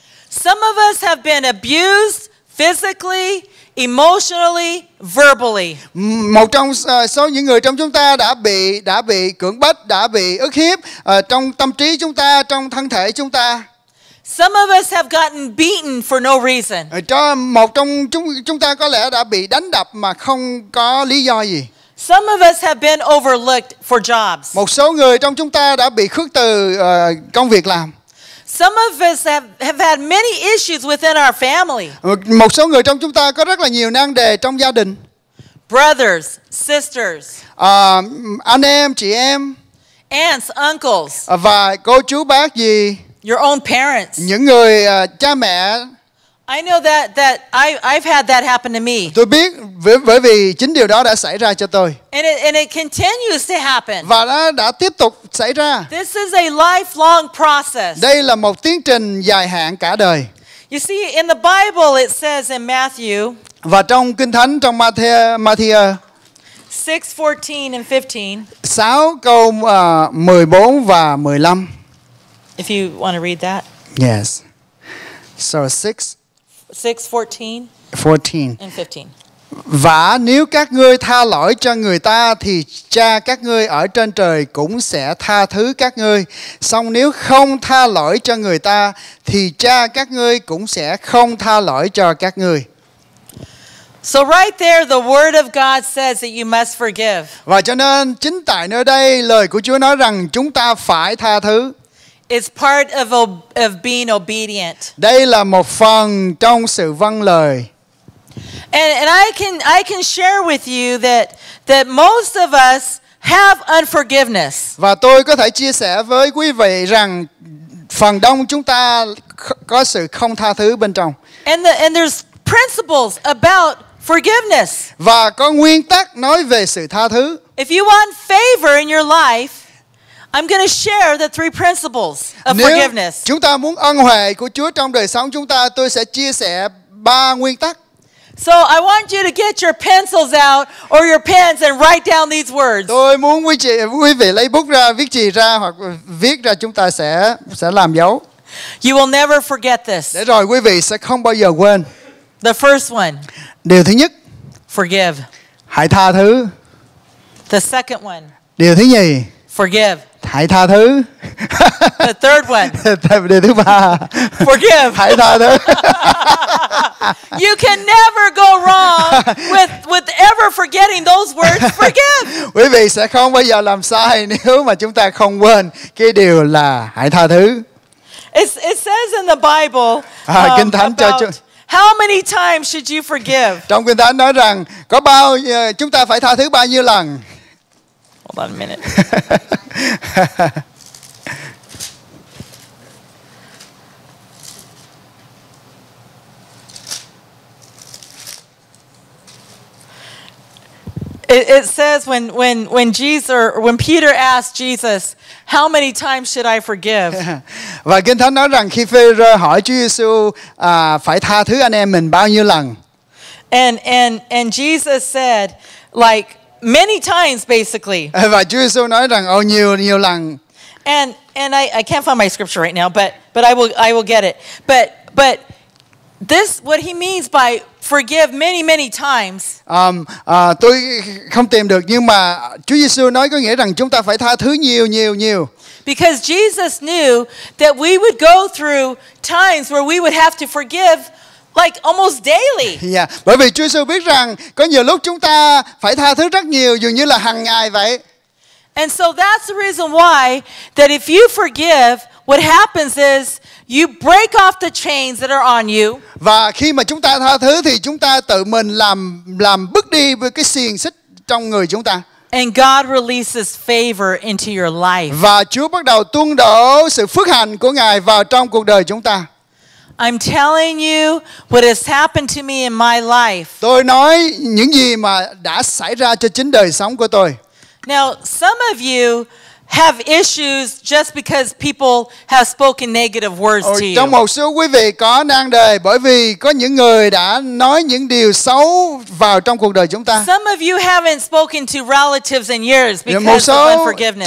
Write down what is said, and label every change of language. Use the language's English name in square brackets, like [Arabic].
[English] Some of us have been abused physically, emotionally, verbally. [Vietnamese] Một trong số những người trong chúng ta đã bị cưỡng bách, đã bị ức hiếp trong tâm trí chúng ta, trong thân thể chúng ta. [English] Some of us have gotten beaten for no reason. [Vietnamese] Một trong chúng ta có lẽ đã bị đánh đập mà không có lý do gì. [English] Some of us have been overlooked for jobs. [Vietnamese] Một số người trong chúng ta đã bị khước từ công việc làm. [English] Some of us have had many issues within our family. [Vietnamese] Một số người trong chúng ta có rất là nhiều nan đề trong gia đình. [English] Brothers, sisters. [Vietnamese] Anh em, chị em. [English] Aunts, uncles. [Vietnamese] Và cô chú bác gì. [English] Your own parents. [Vietnamese] Những người cha mẹ. [English] I know that I've had that happen to me. [Vietnamese] Tôi biết bởi vì chính điều đó đã xảy ra cho tôi. [English] And it continues to happen. [Vietnamese] Và nó đã tiếp tục xảy ra. [English] This is a lifelong process. [Vietnamese] Đây là một tiến trình dài hạn cả đời. [English] You see, in the Bible it says in Matthew. [Vietnamese] Và trong Kinh Thánh, trong Matthew [English] 6:14 and 15. [Vietnamese] 6 câu 14 và 15. [English] If you want to read that. Yes. So 6:14 and 15. [Vietnamese] Và nếu các ngươi tha lỗi cho người ta thì cha các ngươi ở trên trời cũng sẽ tha thứ các ngươi. Song nếu không tha lỗi cho người ta thì cha các ngươi cũng sẽ không tha lỗi cho các ngươi. [English] So right there, the word of God says that you must forgive. [Vietnamese] Và cho nên chính tại nơi đây lời của Chúa nói rằng chúng ta phải tha thứ. [English] It's part of being obedient. [Vietnamese] Đây là một phần trong sự vâng lời. [English] And I can share with you that most of us have unforgiveness. [Vietnamese] Và tôi có thể chia sẻ với quý vị rằng phần đông chúng ta có sự không tha thứ bên trong. [English] And there's principles about forgiveness. [Vietnamese] Và có nguyên tắc nói về sự tha thứ. [English] If you want favor in your life, I'm going to share the three principles of [Vietnamese] Nếu [English] forgiveness. [Vietnamese] Chúng ta muốn ân huệ của Chúa trong đời sống chúng ta, tôi sẽ chia sẻ ba nguyên tắc. [English] So I want you to get your pencils out or your pens and write down these words. [Vietnamese] Tôi muốn quý vị lấy bút ra, viết chì ra hoặc viết ra, chúng ta sẽ làm dấu. [English] You will never forget this. [Vietnamese] Để rồi quý vị sẽ không bao giờ quên. [English] The first one. [Vietnamese] Điều thứ nhất. [English] Forgive. [Vietnamese] Hãy tha thứ. [English] The second one. [Vietnamese] Điều thứ nhì. [English] Forgive. [Vietnamese] hãy tha thứ. [English] The third one. [Vietnamese] Đề thứ ba. [English] Forgive. [Vietnamese] Hãy tha thứ. [English] You can never go wrong with ever forgetting those words, forgive. [Vietnamese] Quý vị sẽ không bao giờ làm sai nếu mà chúng ta không quên cái điều là hãy tha thứ. [English] It says in the Bible. [Vietnamese] Kinh Thánh cho chúng. [English] How many times should you forgive? [Vietnamese] Trong Kinh Thánh nói rằng có bao chúng ta phải tha thứ bao nhiêu lần? [English] Hold on a minute. It says when Peter asked Jesus, how many times should I forgive? [Vietnamese] Và Kinh Thánh nói rằng khi Phêrô hỏi Chúa Giêsu phải tha thứ anh em mình bao nhiêu lần? [English] And Jesus said, like many times basically. [Vietnamese] Và Chúa Giêsu nói rằng ô nhiều lần. [English] And I can't find my scripture right now, but I will get it. But this what he means by forgive many many times. [Vietnamese] Tôi không tìm được nhưng mà Chúa Giêsu nói có nghĩa rằng chúng ta phải tha thứ nhiều. [English] Because Jesus knew that we would go through times where we would have to forgive like almost daily. [Vietnamese] Yeah, bởi vì Chúa Giêsu biết rằng có nhiều lúc chúng ta phải tha thứ rất nhiều dường như là hàng ngày vậy. [English] And so that's the reason why that if you forgive, what happens is you break off the chains that are on you. [Vietnamese] Và khi mà chúng ta tha thứ thì chúng ta tự mình làm bứt đi với cái xiềng xích trong người chúng ta. [English] And God releases favor into your life. [Vietnamese] Và Chúa bắt đầu tuôn đổ sự phước hạnh của Ngài vào trong cuộc đời chúng ta. [English] I'm telling you what has happened to me in my life. [Vietnamese] Tôi nói những gì mà đã xảy ra cho chính đời sống của tôi. [English] Now, some of you have issues just because people have spoken negative words to you. [Vietnamese] Trong một số quý vị có nan đề bởi vì có những người đã nói những điều xấu vào trong cuộc đời chúng ta. [English] Some of you haven't spoken to relatives in years because of unforgiveness.